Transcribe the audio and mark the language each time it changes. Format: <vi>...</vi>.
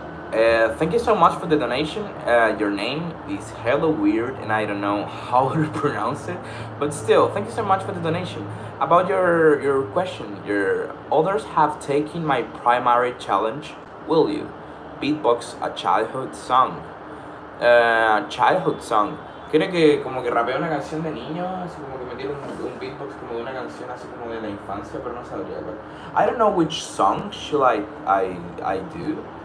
<en>Thank you so much for the donation. Your name is hella weird, and I don't know how to pronounce it. But still, thank you so much for the donation. About your question, your others have taken my primary challenge, will you? Beatbox, a childhood song. Childhood song.</en> <es>¿Quieres que como que rapee una canción de niño? Así como que me tire un beatbox como de una canción así como de la infancia, pero no sabría.</es> <en>I don't know which song should I do.</en>